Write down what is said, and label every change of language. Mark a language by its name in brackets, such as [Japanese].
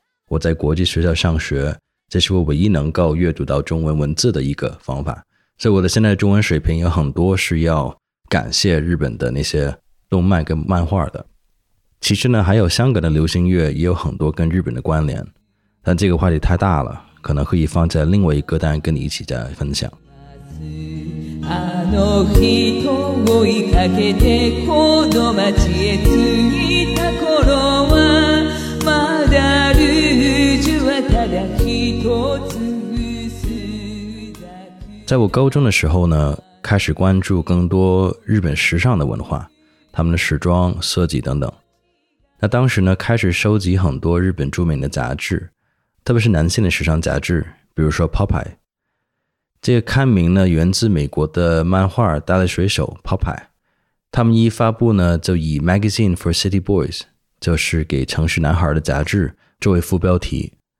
[Chinese] 我在国际学校上学，这是我唯一能够阅读到中文文字的一个方法，所以我的现在的中文水平有很多是要感谢日本的那些动漫跟漫画的。其实呢，还有香港的流行乐也有很多跟日本的关联，但这个话题太大了，可能可以放在另外一个单跟你一起再分享。 [Japanese] あの人を追いかけてこの街へ着いた頃はまだルージュはただ一つ薄だけ。 [Chinese] 在我高中的时候呢，开始关注更多日本时尚的文化，他们的时装设计等等。那当时呢，开始收集很多日本著名的杂志，特别是男性的时尚杂志，比如说 Popeye。这个刊名呢，源自美国的漫画《大力水手》Popeye， 他们一发布呢，就以 [English] Magazine for City Boys， [Chinese] 就是给城市男孩的杂志作为副标题。